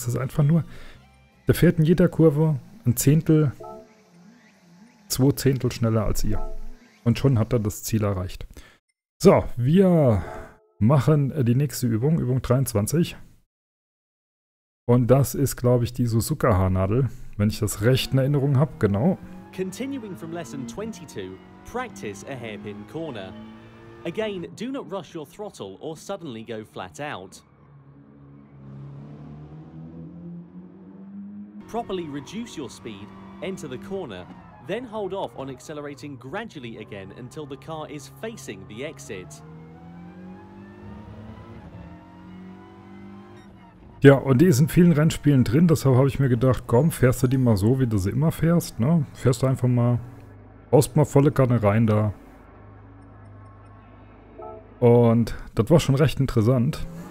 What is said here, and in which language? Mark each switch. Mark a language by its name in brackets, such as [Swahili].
[German] Das ist einfach nur, der fährt in jeder Kurve 2/10 schneller als ihr. Und schon hat er das Ziel erreicht. So, wir machen die nächste Übung, Übung 23. Und das ist, glaube ich, die Suzuka-Haarnadel, wenn ich das recht in Erinnerung habe, genau. [English] Continuing from lesson 22, practice a hairpin corner. Again, do not rush your throttle or suddenly go flat out. Properly reduce your speed, enter the corner, then hold off on accelerating gradually again until the car is facing the exit. [German] Ja, und die ist in vielen Rennspielen drin, deshalb habe ich mir gedacht, komm, fährst du die mal so, wie du sie immer fährst, ne? Fährst du einfach mal, haust mal volle Kanne rein da. Und das war schon recht interessant.